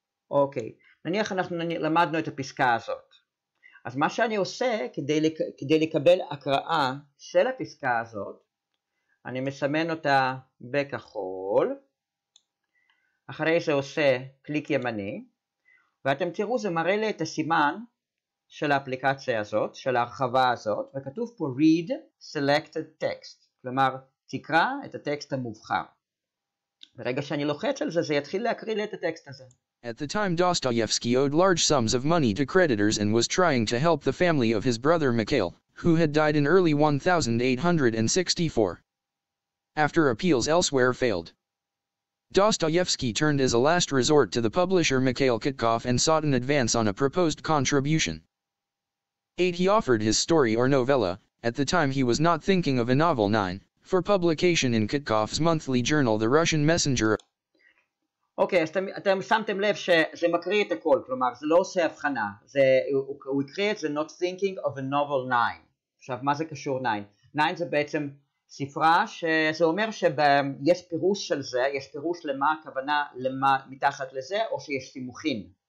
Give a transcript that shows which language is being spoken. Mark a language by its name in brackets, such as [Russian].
[Hebrew] אוקיי, נניח אנחנו למדנו את הפסקה הזאת. אז מה שאני עושה כדי לקבל הקראה של הפסקה הזאת, אני מסמן אותה בכחול, אחרי זה עושה קליק ימני, ואתם תראו זה מראה לי את הסימן של האפליקציה הזאת, של ההרחבה הזאת, וכתוב פה [English] Read Selected Text, [Hebrew] כלומר תקרא את הטקסט המובחר. ברגע שאני לוחץ על זה, זה יתחיל להקריא לי את הטקסט הזה. [English] At the time Dostoevsky owed large sums of money to creditors and was trying to help the family of his brother Mikhail, who had died in early 1864. After appeals elsewhere failed, Dostoevsky turned as a last resort to the publisher Mikhail Kutkov and sought an advance on a proposed contribution. He offered his story or novella, at the time he was not thinking of a novel 9, for publication in Kutkov's monthly journal The Russian Messenger. [Hebrew] אוקיי, אז אתם שמתם לב שזה מקריא את הכל, כלומר, זה לא עושה הבחנה. הוא הקריא את זה [English] Not Thinking of a Novel [Hebrew] 9. עכשיו, מה זה קשור 9? 9 זה בעצם ספרה שזה אומר שיש פירוש של זה, יש פירוש למה הכוונה מתחת לזה, או שיש סימוכין.